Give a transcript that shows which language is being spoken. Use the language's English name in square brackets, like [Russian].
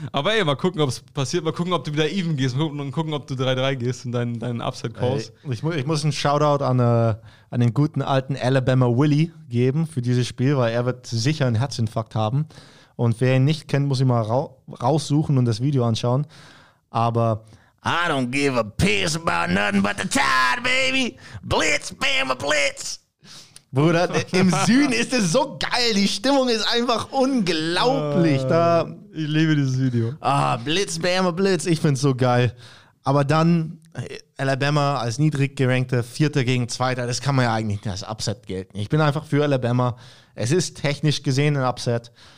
[German] Aber ey, mal gucken, ob es passiert. Mal gucken, ob du wieder even gehst. Mal gucken, ob du 3-3 gehst und deinen Upset calls. Ich muss einen Shoutout an den guten alten Alabama Willy geben für dieses Spiel, weil er wird sicher einen Herzinfarkt haben. Und wer ihn nicht kennt, muss ihn mal raussuchen und das Video anschauen. [English] Aber I don't give a piss about nothing but the tide, baby. Blitz, Bama, Blitz. [German] Bruder, im Süden ist es so geil. Die Stimmung ist einfach unglaublich. Ich liebe dieses Video. Blitz, Bama, Blitz. Ich finde es so geil. Aber dann Alabama als niedrig gerankter Vierter gegen Zweiter. Das kann man ja eigentlich nicht als Upset gelten. Ich bin einfach für Alabama. Es ist technisch gesehen ein Upset.